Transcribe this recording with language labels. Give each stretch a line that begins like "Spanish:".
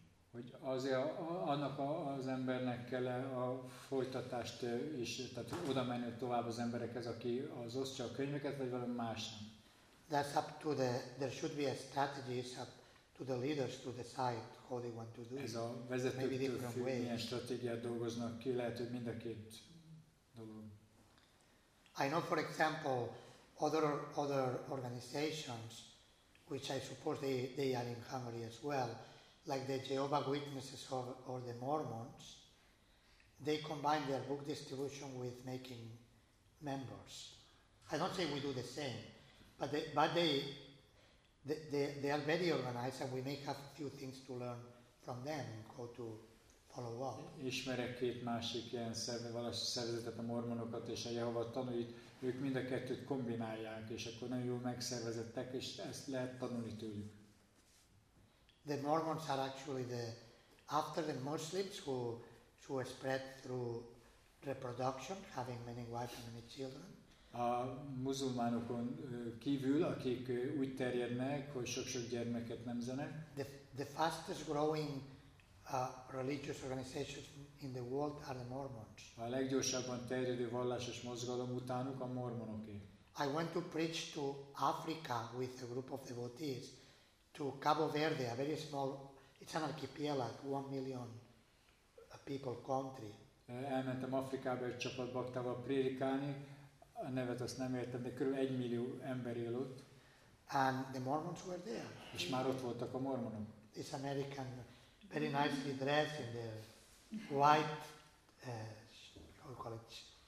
Hungarian: Hogy azért annak az embernek kell a folytatást is, tehát oda menni tovább az emberekhez, aki az osztja a könyveket, vagy valami másnak?
English: That's up to the, there should be a strategy, it's up to the leaders to decide how they want to do it.
Hungarian: Ez a vezetőktől függ, milyen stratégiát dolgoznak ki, lehet, hogy mind a két dolog.
English: I know, for example, other organizations, which I suppose they are in Hungary as well, like the Jehovah's Witnesses or the Mormons, they combine their book distribution with making members. I don't say we do the same, but they are very organized and we may have a few things to learn from them and how to follow up.
Hungarian: Ismerek két másik ilyen szervezetet, a Mormonokat és a Jehovah tanúit, ők mind a kettőt kombinálják, és akkor nagyon jól megszervezettek, és ezt lehet tanulni tőlük.
English: The Mormons are actually the after the Muslims who spread through reproduction, having many wives and many children.
Hungarian: A muzulmánokon kívül, akik úgy terjednek, hogy sok-sok gyermeket nemzenek.
English: The fastest growing religious organizations in the world are the Mormons.
Hungarian: A leggyorsabban terjedő vallásos mozgalom utánuk a mormonoké.
English: I went to preach to Africa with a group of devotees. To Cabo Verde, a very small, it's an archipelago, 1 million people country.
Hungarian: Elmentem Afrikába egy csapat baktával prédikálni, a nevet azt nem értem, de körülbelül 1 millió ember él ott.
English: And the Mormons were there.
Hungarian: És már ott voltak a mormonok.
English: This American, very nicely dressed in their white, how do you call it?